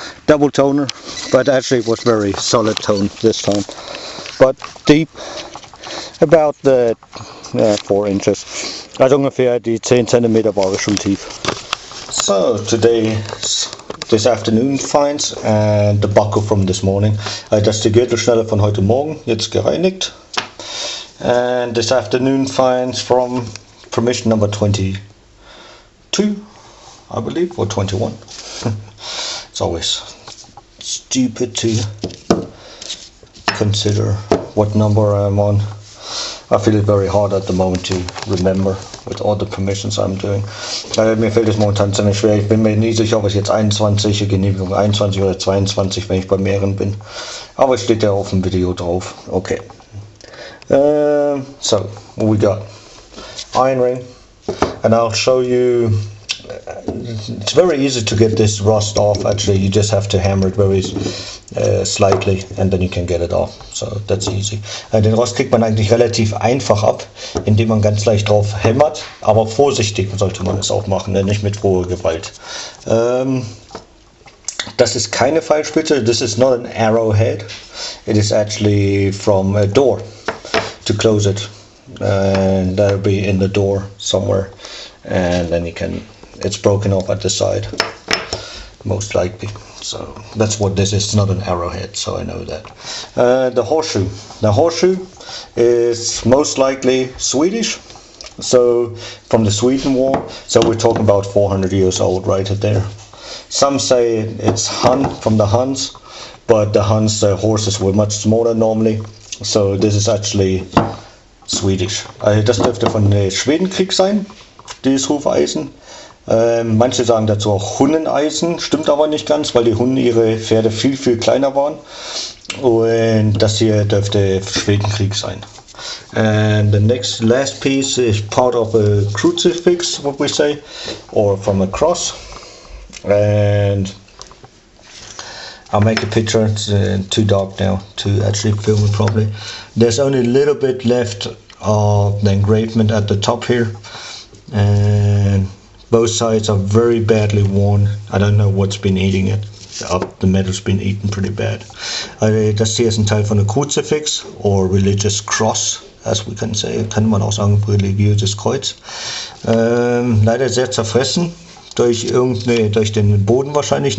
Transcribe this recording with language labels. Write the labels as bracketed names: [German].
[English] Double toner, but actually it was very solid tone this time. But deep, about the 4 inches. [German] Also ungefähr die 10 cm war schon tief. [English] So, this afternoon finds and the buckle from this morning. [German] Das ist die Gürtelschnalle von heute Morgen, jetzt gereinigt. [English] And this afternoon finds from permission number 22. I believe, or 21. It's always stupid to consider what number I'm on. I feel it very hard at the moment to remember with all the permissions I'm doing. [German] Mir fällt es momentan ziemlich schwer. Ich bin mir nie sicher, ob es jetzt 21 Genehmigung, 21 oder 22, wenn ich bei mehreren bin. Aber es steht ja auf dem Video drauf. [English] Okay. So, what we got? Iron ring. And I'll show you. It's very easy to get this rust off, actually. You just have to hammer it very slightly and then you can get it off. So that's easy. [German] Den Rost kriegt man eigentlich relativ einfach ab, indem man ganz leicht drauf hämmert. Aber vorsichtig sollte man es auch machen, ne? Nicht mit hoher Gewalt. Das ist keine Pfeilspitze. [English] This is not an arrowhead. It is actually from a door to close it. And that'll be in the door somewhere. And then you can... It's broken off at the side, most likely. So that's what this is. It's not an arrowhead, so I know that. The horseshoe. The horseshoe is most likely Swedish. So from the Sweden War. So we're talking about 400 years old right there. Some say it's Hun from the Huns, but the Huns, the horses were much smaller normally. So this is actually Swedish. [German] Das dürfte von dem Schwedenkrieg sein, dieses Hufeisen. Manche sagen dazu auch Hunneneisen, stimmt aber nicht ganz, weil die Hunden ihre Pferde viel, viel kleiner waren. Und das hier dürfte Schwedenkrieg sein. [English] And the next last piece is part of a crucifix, what we say, or from a cross. And I'll make a picture. It's too dark now to actually film it properly. There's only a little bit left of the engravement at the top here, and both sides are very badly worn. I don't know what's been eating it. The metal's been eaten pretty bad. [German] Das hier ist ein Teil von der Crucifix, [English] or religious cross, as we can say. [German] Kann man auch sagen, religiöses Kreuz. Leider sehr zerfressen durch durch den Boden wahrscheinlich.